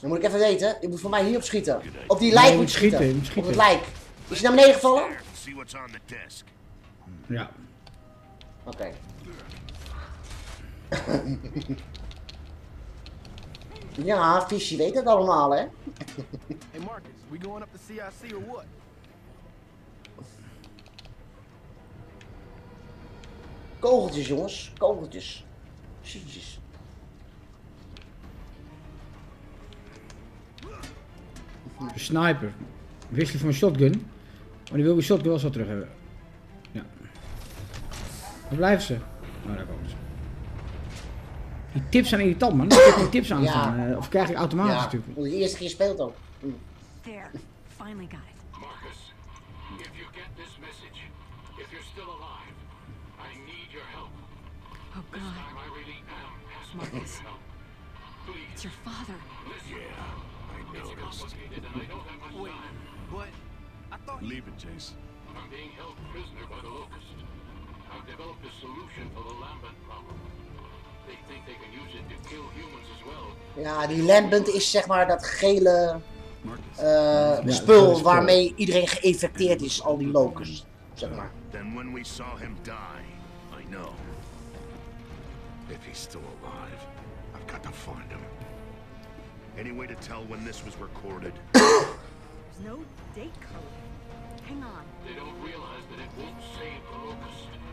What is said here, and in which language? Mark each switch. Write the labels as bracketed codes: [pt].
[nl] Dan moet ik even weten, je moet voor mij hier op schieten. Op die lijk moet schieten. Moet schieten. Op het lijk. Is hij naar beneden gevallen? [en] See what's on the desk. Ja. [nl] Oké. [en] Okay. [nl] Ja, Fishy weet het allemaal, hè? [en] Hey Marcus, we going up the CIC or what? [nl] Kogeltjes, jongens, kogeltjes. Jezus. Een sniper. Wisselen van een shotgun. Maar die wil mijn shotgun wel zo terug hebben. Ja. Waar blijven ze? Oh, daar komen ze. Die tips zijn irritant, man. Dan krijg je tips aan staan. Ja. Of krijg ik automatisch, ja, natuurlijk. Ja, de eerste keer speelt ook. [en] There. Finally got it. Marcus, if you get this message, if you're still alive, I need your help. Oh god. This time I really am as Marcus. Please. It's your father. Yeah, I know. It's complicated and I don't have much time. Wait, what? Leave it, Jace. I'm being held prisoner by the Locust. I've developed a solution for the Lambent problem. They think they can use it to kill humans as well. [nl] Ja, die Lambent is zeg maar dat gele spul waarmee iedereen geïnfecteerd is, al die Locust, zeg maar. [en] Then when we saw him die, I know. If he's still alive, I've got to find him. Any way to tell when this was recorded? There's no date code. Hang on. They don't realize that it won't save the Locust.